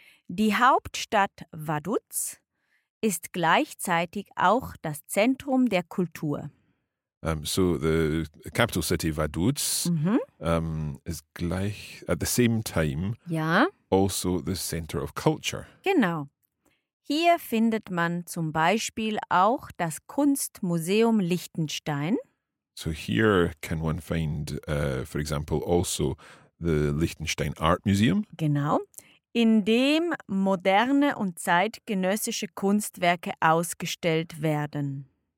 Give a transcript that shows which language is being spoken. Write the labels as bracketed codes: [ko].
[de] Die Hauptstadt Vaduz ist gleichzeitig auch das Zentrum der Kultur. [en] So the capital city Vaduz is gleich, at the same time, also the center of culture. [de] Genau. Hier findet man zum Beispiel auch das Kunstmuseum Liechtenstein. [en] So here can one find, for example, also the Liechtenstein Art Museum. [de] Genau. In dem moderne und zeitgenössische Kunstwerke ausgestellt werden.